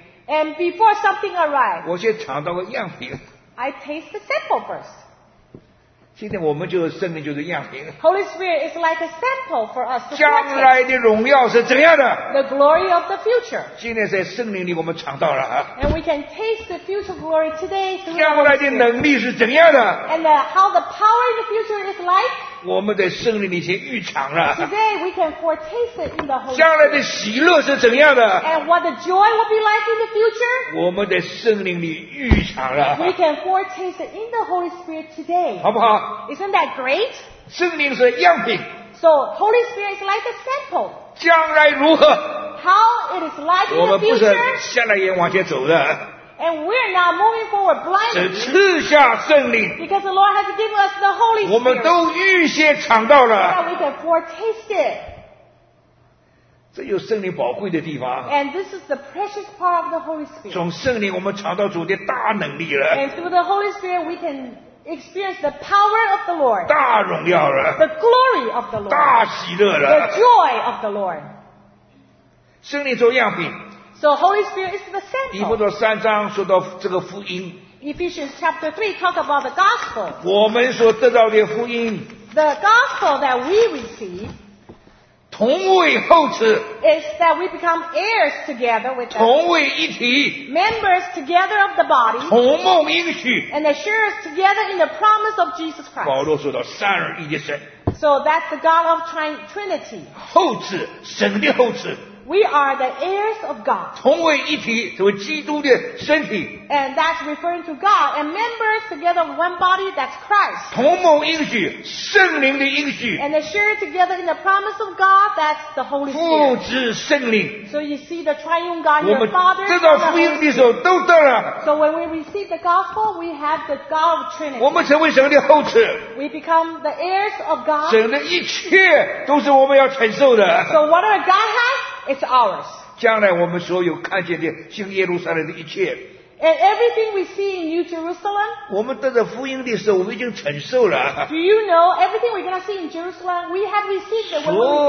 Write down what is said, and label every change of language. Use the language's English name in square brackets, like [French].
[English] And before something arrives. [Chinese] 我先尝到个样品。 [English] I taste the sample first. [Chinese] 今天我们就圣灵就是样品。 [English] Holy Spirit is like a sample for us. [Chinese] 将来的荣耀是怎样的？ [English] The glory of the future. [Chinese] 今天在圣灵里我们尝到了啊。 [English] And we can taste the future glory today. [Chinese] 将来的能力是怎样的？ [English] And how the power in the future is like. [Chinese] 我们在圣灵里先预尝了。 [English] Today we can foretaste it in the Holy Spirit. [Chinese] 将来的喜乐是怎样的？ [English] And what the joy will be like in the future. [Chinese] 我们在圣灵里预尝了。 [English] We can foretaste it in the Holy Spirit today. [Chinese] 好不好？ [English] Isn't that great? [Chinese] 圣灵是样品。 [English] So Holy Spirit is like a sample. [Chinese] 将来如何？ [English] How it is like in the future? [Chinese] 我们不是瞎了眼往前走的。 [English] And we're not moving forward blindly. [Chinese] 是赐下圣灵。 [English] Because the Lord has given us the Holy Spirit. [Chinese] 我们都预先尝到了。 [English] Now we can foretaste it. [Chinese] 这就是圣灵宝贵的地方。 [English] And this is the precious part of the Holy Spirit. [Chinese] 从圣灵我们尝到主的大能力了。 [English] And through the Holy Spirit we can experience the power of the Lord. [Chinese] 大荣耀了。 [English] The glory of the Lord. [Chinese] 大喜乐了。 [English] The joy of the Lord. [Chinese] 圣灵做样品。 [English] So Holy Spirit is the sample. [Chinese] 以弗所三章说到这个福音。 [English] Ephesians chapter 3 talk about the gospel. [Chinese] 我们所得到的福音。 [English] The gospel that we receive. [Chinese] 同为后嗣。 [English] Is that we become heirs together with. [Chinese] 同为一体。 [English] Members together of the body. [Chinese] 同梦应许。 [English] And assure us together in the promise of Jesus Christ. [Chinese] 保罗说到三而一的神。 [English] So that's the God of Trinity. [Chinese] 后嗣，神的后嗣。 [English] We are the heirs of God. [Chinese] 同为一体，成为基督的身体。 [English] And that's referring to God and members together of one body, that's Christ. [Chinese] 同蒙应许，圣灵的应许。 [English] And assured together in the promise of God, that's the Holy Spirit. [Chinese] 父子圣灵。 [English] So you see the triune God, your Father. [Chinese] 我们得到福音的时候都得了。 [English] So when we receive the gospel, we have the God of Trinity. [Chinese] 我们成为神的后嗣。 [English] We become the heirs of God. [Chinese] 神的一切都是我们要承受的。 [English] So whatever God has. It's ours. [Chinese] 将来我们所有看见的新耶路撒冷的一切。 [English] And everything we see in New Jerusalem. [Chinese] 我们得到福音的时候，我们已经承受了。 [English] Do you know everything we're going to see in Jerusalem? We have received it when we receive the gospel.